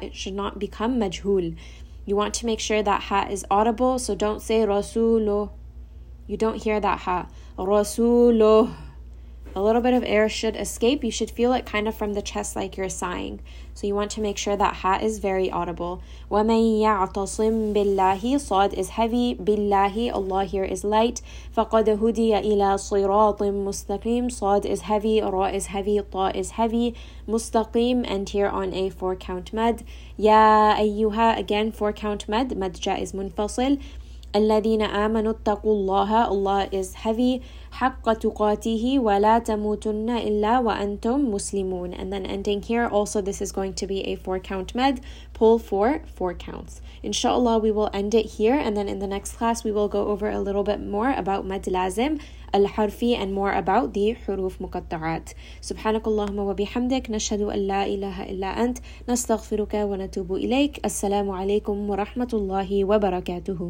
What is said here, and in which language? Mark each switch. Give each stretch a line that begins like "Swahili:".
English: It should not become majhul. You want to make sure that ha is audible. So don't say Rasulu. You don't hear that ha. Rasulu. a little bit of air should escape. You should feel it kind of from the chest like you're sighing. So you want to make sure that ha is very audible.
Arabic: وَمَن يَعْتَصِم بِاللَّهِ صَاد
English: is heavy. بِاللَّهِ Allah here is light.
Arabic: فَقَدْ هُدِيَ إِلَى صِرَاطٍ مُسْتَقِيم صَاد
English: is heavy. رَا is heavy. طَا is heavy. مُسْتَقِيم and here on a 4-count mad. يَا أَيُّهَا again 4-count mad. مَد جَاء is munfasil.
Arabic: الَّذِينَ آمَنُوا اتَّقُوا اللَّهَ Allah is heavy حَقَّ تُقَاتِهِ وَلَا تَمُوتُنَّ إِلَّا وَأَنْتُمْ مُسْلِمُونَ
English: And then ending here, also this is going to be a 4-count med. Pull for 4 counts. Inshallah, we will end it here. And then in the next class, we will go over a little bit more about مَد لَازِم الْحَرْفِ and more about the
Arabic: حُرُوف مُقَطَّعَات سُبْحَانَكَ اللَّهُمَّ وَبِحَمْدِكَ نَشْهَدُ أَنْ لَا إِلَهَ إِلَّا أَنْتَ نَسْتَغْفِرُكَ وَنَتُوبُ إِلَيْكَ السَّلَامُ عَلَيْكُمْ وَرَحْمَةُ اللَّهِ وَبَرَكَاتُهُ